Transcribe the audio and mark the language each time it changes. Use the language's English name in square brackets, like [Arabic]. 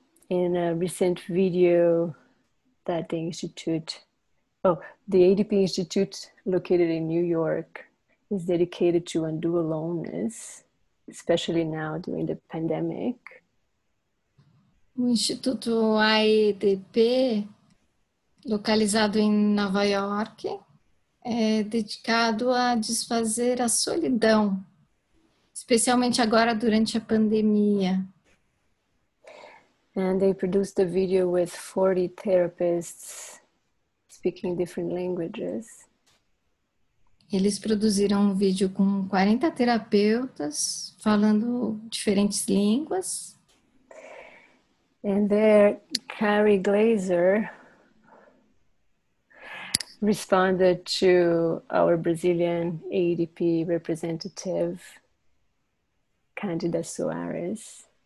[English] In a recent video that the Institute, the ADP Institute located in New York is dedicated to undo aloneness, especially now during the pandemic. [Portuguese] O Instituto AEDP, localizado em Nova York, é dedicado a desfazer a solidão, especialmente agora durante a pandemia. [English] And they produced a video with 40 therapists speaking different languages. [Portuguese] Eles produziram um vídeo com 40 terapeutas falando diferentes línguas. [English] And there, Carrie Glazer responded to our Brazilian ADP representative, Cândida Soares,